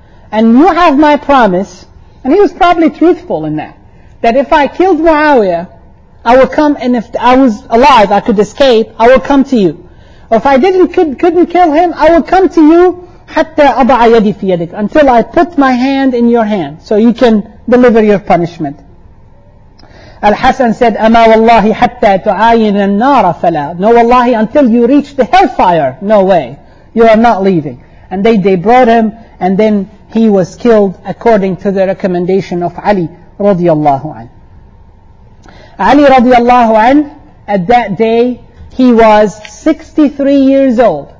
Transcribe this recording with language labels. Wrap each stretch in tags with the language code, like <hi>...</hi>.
<en>And you have my promise, and he was probably truthful in that, that if I killed Muawiyah, I will come, and if I was alive, I could escape, I will come to you. Or if I couldn't kill him, I will come to you</en> <ar>حَتَّى أَضَعَ يَدِي فِي يَدِكَ,</ar> <en>until I put my hand in your hand, so you can deliver your punishment. Al-Hasan said,</en> <ar>أَمَا وَاللَّهِ حَتَّى تُعَيِّنَ النَّارَ فَلَا.</ar> <en>No, wallahi, until you reach the hellfire, no way. You are not leaving. And they brought him, and then he was killed according to the recommendation of Ali radiallahu anhu. Ali radiallahu anhu, at that day, he was 63 years old.</en>